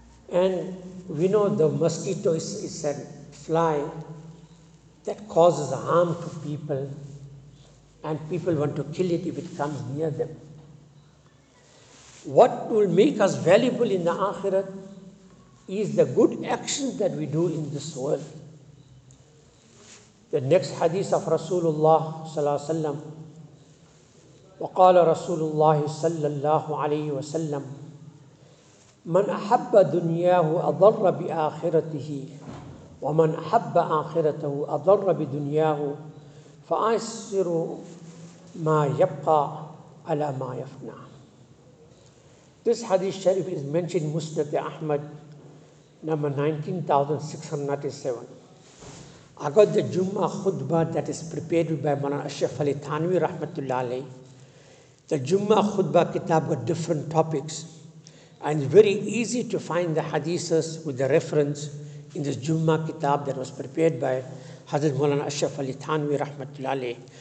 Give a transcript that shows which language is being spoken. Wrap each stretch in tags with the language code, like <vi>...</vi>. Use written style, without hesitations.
<en>And we know the mosquito is a fly that causes harm to people, and people want to kill it if it comes near them. What will make us valuable in the akhirat is the good actions that we do in this world. The next hadith of Rasulullah sallallahu alaihi wasallam,</en> <ar>وقال رسول الله صلى الله عليه وسلم من أحب دنياه أضر بآخرته ومن أحب آخرته أضر بدنياه فأيسر ما يبقى على ما يفنى.</ar> <en>This hadith sharif is mentioned in Musnad Ahmad number 19,697. I got the Jummah khutbah that is prepared by Maulana Ashraf Ali Thanvi rahmatullah alayhi. The Jummah khutbah kitab got different topics, and it's very easy to find the hadiths with the reference in this Jummah kitab that was prepared by Hazrat Maulana Ashraf Ali Thanvi rahmatullah alayhi.</en>